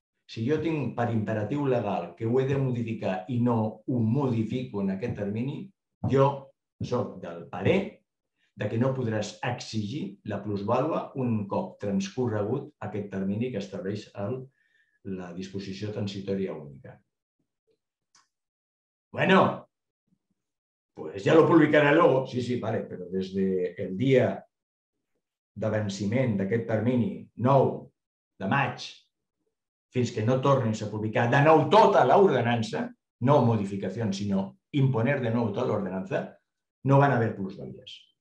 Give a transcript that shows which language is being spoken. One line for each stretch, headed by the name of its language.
Catalan: Si jo tinc per imperatiu legal que ho he de modificar i no ho modifico en aquest termini, jo soc del parer de que no podràs exigir la plusvàlua un cop transcorregut aquest termini que estableix la disposició transitòria única.
Spanish: Bueno, pues ya lo publicaré luego.
Catalan: Sí, sí,
Spanish: vale, pero desde el día
Catalan: de venciment d'aquest termini 9 de maig fins que no tornis a publicar de nou tota l'ordenança, no modificació, sinó imponer de nou tota l'ordenança, no van haver plusvàlues.